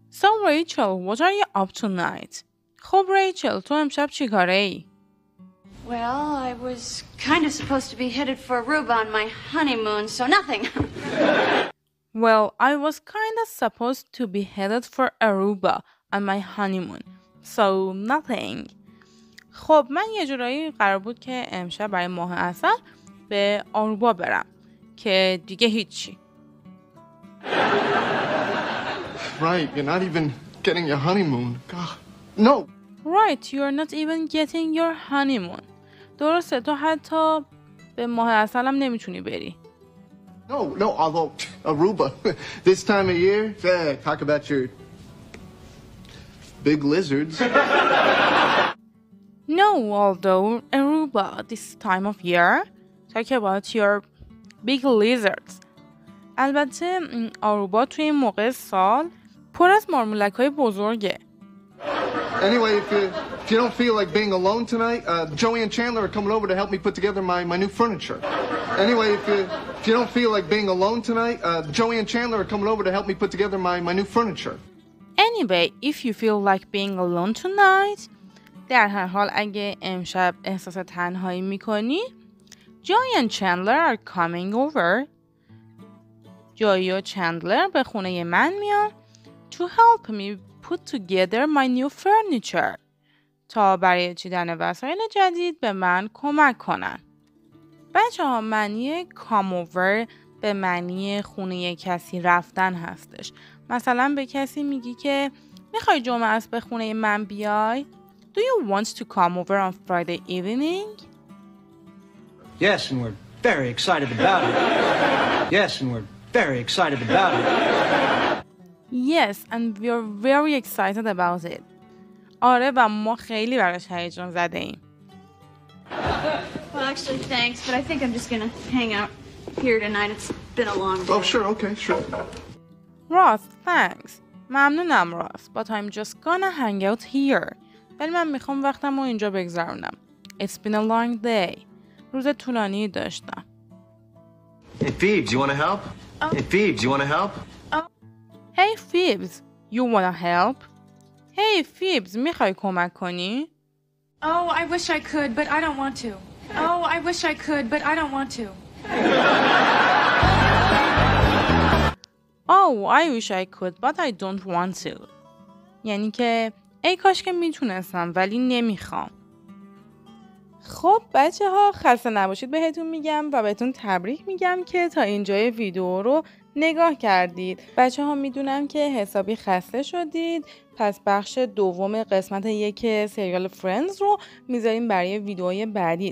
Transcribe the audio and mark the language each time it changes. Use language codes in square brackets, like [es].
[en] So Rachel, what are you up to tonight? [fa] خب ریچل تو امشب چی کاره ای؟ [en] Well, I was kind of supposed to be headed for Aruba on my honeymoon, so nothing. Well, I was kind of supposed to be headed for Aruba on my honeymoon, so nothing. [fa] خب من یه جورایی قرار بود که امشب برای ماه عسل به آروبا برم که دیگه هیچی. [en] Right, you're not even getting your honeymoon. God, no. Right, you're not even getting your honeymoon. [fa] درسته تو حتی به ماه عسل هم نمیتونی بری. [en] No, although Aruba, this time of year, talk about your big lizards. No, although Aruba, this time of year, talk about your big lizards. [fa] البته آروبا توی این موقع سال پر از مارمولک‌های بزرگه. [en] Anyway, if you don't feel like being alone tonight, Joey and Chandler are coming over to help me put together my new furniture. Anyway, if you don't feel like being alone tonight, Joey and Chandler are coming over to help me put together my new furniture. Anyway, if you feel like being alone tonight, [fa] در هر حال اگه امشب احساس تنهایی میکنی, [en] Joey and Chandler are coming over. Joey and Chandler [fa] به خونه من میان [en] to help me put together my new furniture. [fa] تا برای چیدن وسایل جدید به من کمک کنن. بچه ها معنی come over به معنی خونه کسی رفتن هستش. مثلا به کسی میگی که میخوای جمعه از به خونه من بیای؟ [en] Do you want to come over on Friday evening? Yes, and we're very excited about it. Yes, and we're very excited about it. Yes, and we're very excited about it. [fa] آره و ما خیلی براش هیجان زده ایم. [en] Well, actually, thanks, but I think I'm just gonna hang out here tonight. It's been a long day. Oh, sure, okay, sure. Ross, thanks. [fa] ممنونم راست. [en] But I'm just gonna hang out here. [fa] ولی من میخوام وقتم رو اینجا بگذارونم. [en] It's been a long day. [fa] روز طولانی داشتم. [en] Hey, Phoebs, you wanna help? Oh. Hey, Phoebs, you wanna help? Oh. Hey, Phoebs, you wanna help? [fa] Hey, Phoebs, میخوای کمک کنی؟ [en] Oh, I wish I could, but I don't want to. Oh, I wish I could, but I don't want to. Oh, I wish I could, but I don't want to. [fa] یعنی که ای کاش که میتونستم ولی نمیخوام. خب بچه ها خسته نباشید بهتون میگم و بهتون تبریک میگم که تا اینجای ویدیو رو نگاه کردید. بچه ها میدونم که حسابی خسته شدید، پس بخش دوم قسمت یک سریال فرندز رو میذاریم برای ویدیوهای بعدی.